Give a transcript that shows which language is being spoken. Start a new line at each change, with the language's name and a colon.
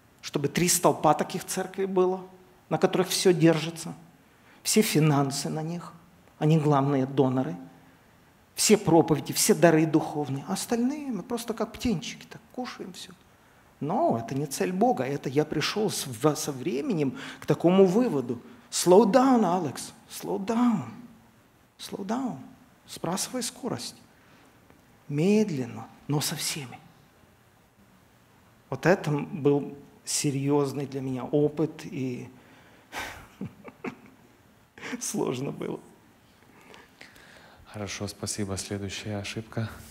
Russian: чтобы три столпа таких церкви было, на которых все держится, все финансы на них, они главные доноры, все проповеди, все дары духовные, а остальные мы просто как птенчики так кушаем все. Но это не цель Бога, это я пришел со временем к такому выводу.
English: Slow down, Alex, slow down, slow down,
Russian: сбрасывай скорость. Медленно, но со всеми. Вот это был серьезный для меня опыт, и сложно было. Хорошо, спасибо. Следующая ошибка.